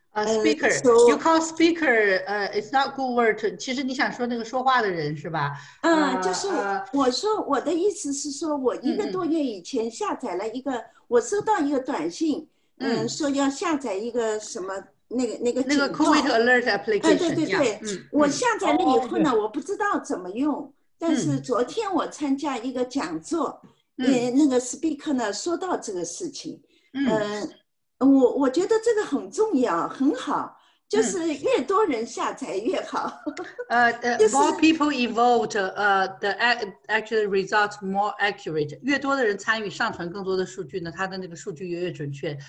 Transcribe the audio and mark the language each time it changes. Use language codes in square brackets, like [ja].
[en] Speaker, you call speaker, it's not a good word. [zh] 其实你想说那个说话的人是吧？就是我说我的意思是说，我一个多月以前下载了一个，我收到一个短信，说要下载一个什么那个 [en] COVID alert application。 [zh] 对对对，我下载了以后呢，我不知道怎么用。但是昨天我参加一个讲座，那个 speaker 呢说到这个事情，我觉得这个很重要，很好，就是越多人下载越好。 [en] More people involved, the actual results more accurate. [zh] 越多的人参与上传更多的数据呢，它的那个数据越准确。